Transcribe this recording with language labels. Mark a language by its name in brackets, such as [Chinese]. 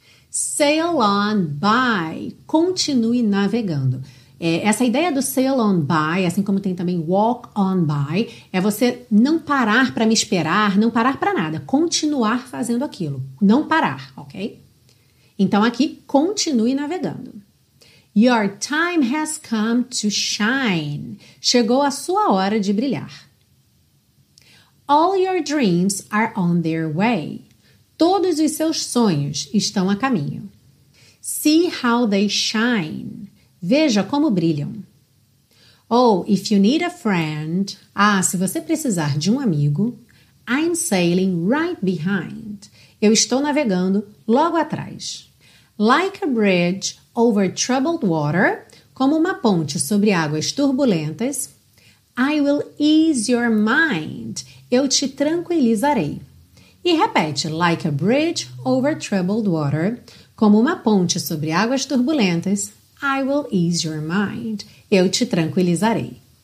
[English] Sail on by, [Portuguese] continue navegando. Essa ideia do sail on by, assim como tem também walk on by, é você não parar para me esperar, não parar para nada, continuar fazendo aquilo, não parar, ok? Então aqui, continue navegando. [English] Your time has come to shine. [Portuguese] Chegou a sua hora de brilhar. [English] All your dreams are on their way. [Portuguese] Todos os seus sonhos estão a caminho. [English] See how they shine. [Portuguese] Veja como brilham. [English] Oh, if you need a friend. [Portuguese] Ah, se você precisar de um amigo. [English] I'm sailing right behind. [Portuguese] Eu estou navegando logo atrás. [English] Like a bridge over troubled water. [Portuguese] Como uma ponte sobre águas turbulentas. [English] I will ease your mind. [Portuguese] Eu te tranquilizarei. E repete, [English] like a bridge over troubled water, [Portuguese] como uma ponte sobre águas turbulentas, [English] I will ease your mind, [Portuguese] eu te tranquilizarei.